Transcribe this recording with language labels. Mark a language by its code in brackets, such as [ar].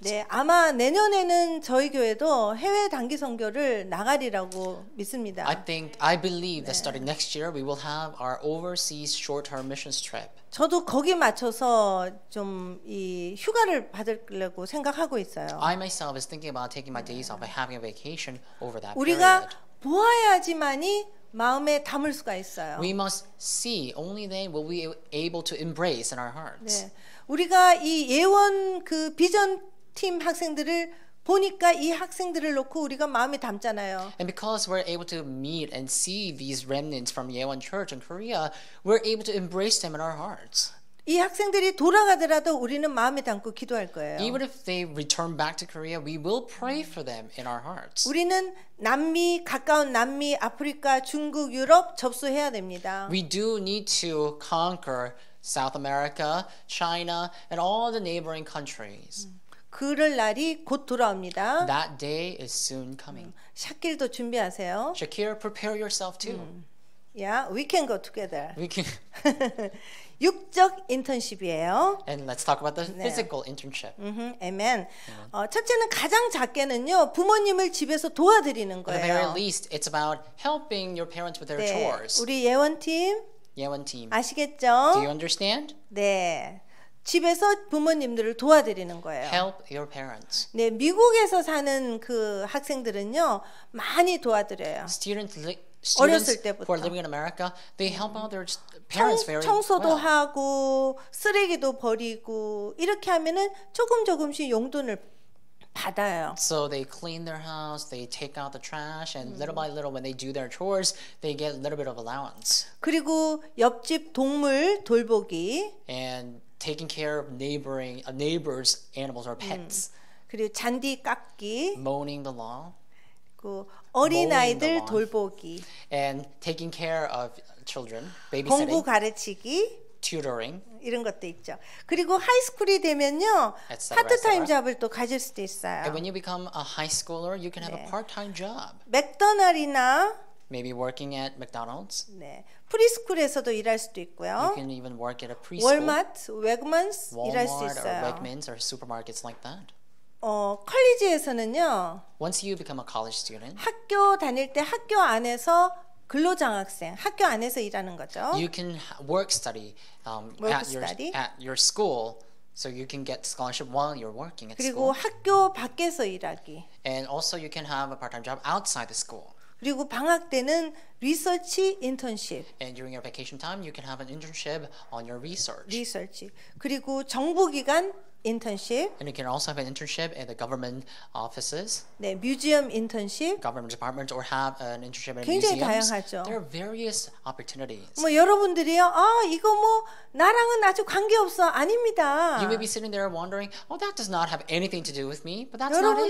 [ko] 네, 아마 내년에는 저희 교회도 해외 단기 선교를 나가리라고 믿습니다. [en] I believe 네. that starting next year we will have our overseas short-term missions trip. [ko] 저도 거기 맞춰서 좀 이 휴가를 받으려고 생각하고 있어요. [en] I myself is thinking about taking my days off by having a vacation over that period. [ko] 우리가 모아야지만이 마음에 담을 수가 있어요. [en] We must see only then will we able to embrace in our hearts. 네. [ko] 우리가 이 예원 그 비전 팀 학생들을 보니까 이 학생들을 놓고 우리가 마음에 담잖아요. [en] And because we're able to meet and see these remnants from Yewon Church in Korea, we're able to embrace them in our hearts. [ko] 이 학생들이 돌아가더라도 우리는 마음에 담고 기도할 거예요. [en] Even if they return back to Korea, we will pray for them in our hearts. [ko] 우리는 남미 가까운 남미, 아프리카, 중국, 유럽 접수해야 됩니다. [en] We do need to conquer South America, China, and all the neighboring countries. [ko] 그럴 날이 곧 돌아옵니다. [en] That day is soon coming. [ko] 샤킬도 준비하세요. [en] Shakir, prepare yourself too. Yeah, we can go together. We can. [ko] 육적 인턴십이에요. [en] And let's talk about the physical internship. Mm-hmm. Amen. Yeah. [ko] 첫째는 가장 작게는요, 부모님을 집에서 도와드리는 거예요. [en] At the very least, it's about helping your parents with their 네. chores. [ko] 우리 예원팀. 예원팀. 아시겠죠? [en] Do you understand? 네. [ko] 집에서 부모님들을 도와드리는 거예요. [en] Help your parents. [ko] 네, 미국에서 사는 그 학생들은요 많이 도와드려요. [en] Students [ko] 어렸을 때부터. [en] Who are living in America, they help out their parents very well. [ko] 청소도 하고 쓰레기도 버리고 이렇게 하면은 조금 조금씩 용돈을 받아요. [en] So they clean their house, they take out the trash, and little by little, when they do their chores, they get a little bit of allowance. [ko] 그리고 옆집 동물 돌보기. [en] And taking care of neighboring neighbors' animals or pets. [ko] 그리고 잔디 깎기. [en] Mowing the lawn. [ko] 그 어린 아이들 돌보기. [en] And taking care of children, babysitting. [ko] 공부 가르치기. [en] Tutoring. [ko] 이런 것도 있죠. 그리고 하이스쿨이 되면요, 파트타임 잡을 또 가질 수도 있어요. [en] And when you become a high schooler, you can have 네. a part-time job. [ko] 맥도날이나 [en] Maybe working at McDonald's. [ko] 네, 프리스쿨에서도 일할 수도 있고요. [en] You can even work at a preschool. [ko] 월마트, 웨그만스 일할 수 있어요. [en] Walmart or Wegmans or supermarkets like that. [ko] 컬리지에서는요. Once you become a college student. 학교 다닐 때 학교 안에서 근로장학생, 학교 안에서 일하는 거죠. [en] You can work study at your school. So you can get scholarship while you're working at [ko] 그리고 그리고 학교 밖에서 일하기. [en] And also you can have a part-time job outside the school. [ko] 그리고 방학 때는 리서치 인턴십. [en] And during your vacation time, you can have an internship on your research. [ko] 리서치. 그리고 정부 기관 인턴십. [en] And you can also have an internship at the government offices. [ko] 네, 뮤지엄 인턴십. [en] Government departments or have an internship at museums. 굉장히 [ko] 다양하죠. [en] There are various opportunities. [ko] 뭐 여러분들이요, 이거 뭐 나랑은 아주 관계 없어. 아닙니다. [en] You may be sitting there wondering, oh, that does not have anything to do with me, but that's not it.